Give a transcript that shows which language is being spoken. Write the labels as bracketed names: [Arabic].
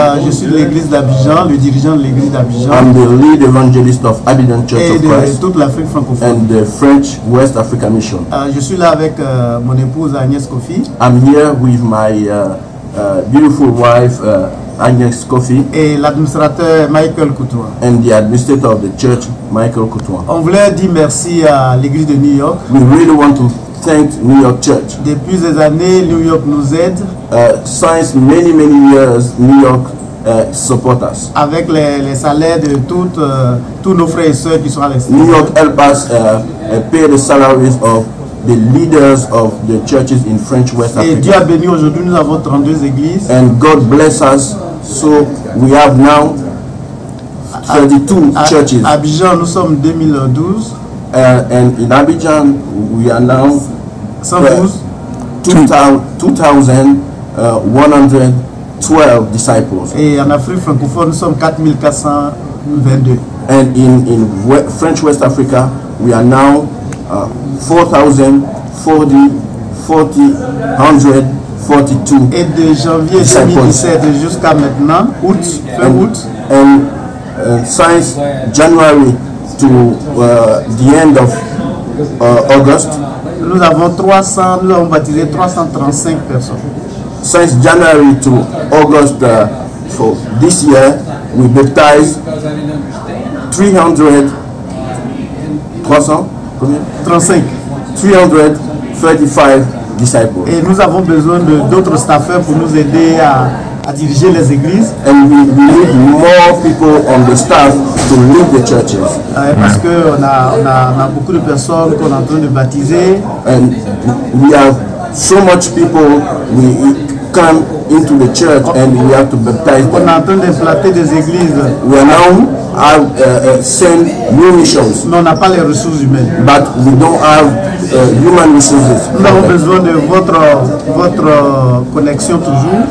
[French] Je suis de l'église d'Abidjan, le dirigeant de l'église d'Abidjan. [English] I'm the lead evangelist of Abidjan Church [French] et [English] of [French] de [English] Christ. [French] Toute l'Afrique francophone. [English] And the French West Africa Mission. [French] Je suis là avec mon épouse Agnès Kofi. [English] I'm here with my beautiful wife Agnès Kofi. [French] Et l'administrateur Michael Coutouin. [English] And the administrator of the church, Michael Coutouin. [French] On voulait dire merci à l'église de New York. [English] We really want to thank New York Church. [French] Depuis des années, New York nous aide. [English] Since many, many years, New York support us. [French] Avec les salaires de tous nos frères et sœurs qui sont à l'extérieur. [English] New York help us pay the salaries of the leaders of the churches in French West Africa. [French] Et Dieu a béni aujourd'hui, nous avons 32 églises. [English] And God bless us, so we have now 32 churches. [French] Abidjan, nous sommes 2012. [English] And in Abidjan, we are now 2,112 disciples. [French] Et en Afrique francophone, nous sommes 4,422. [English] And in French West Africa, we are now 4,044 1942. [French] Et de janvier 2017 jusqu'à maintenant, août, fin août. [English] And since January to the end of August. [French] Nous avons 300, nous avons baptisé 335 personnes. [English] Since January to August for this year, we baptized 335 disciples. [French] Et nous avons besoin de d'autres staffeurs pour nous aider à diriger les églises. [English] And we need more people on the staff to lead the churches. [French] Parce que on a beaucoup de personnes qu'on est en train de baptiser. [English] And we have so much people we come into the church and we have to baptize them. [French] On est en train d'implanter des églises. [English] We are now send new missions. [French] Mais on n'a pas les ressources humaines. [English] But we don't have human resources. [French] Nous avons besoin de votre connexion toujours.